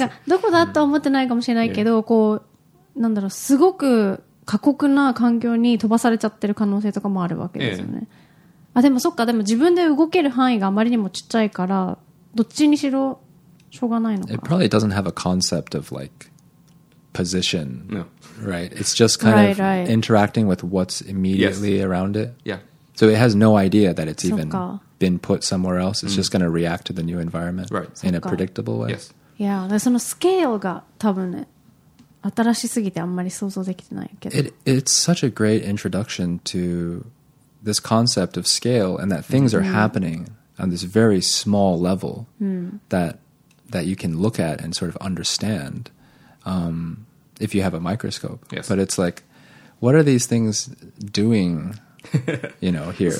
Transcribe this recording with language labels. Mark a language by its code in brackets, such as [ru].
[ja] なんかどこだと思ってないかもしれないけど、うん、こうなんだろう、すごく過酷な環境に飛ばされちゃってる可能性とかもあるわけですよね、ええ、あでもそっか、でも自分で動ける範囲があまりにもちっちゃいからどっちにしろしょうがないのか。 [en] It probably doesn't have a concept of like position, right? It's just kind of interacting with what's immediately around it. Yeah. So it has no idea that it's even been put somewhere else. It's just going to react to the new environment in a predictable way. Yes. [ja] Yeah, そのスケールが多分ね新しすぎてあんまり想像できてないけど、 [en] It's such a great introduction to this concept of scale and that things are happening on this very small level that you can look at and sort of understand if you have a microscope. Yes. But it's like, what are these things doing, you know, here?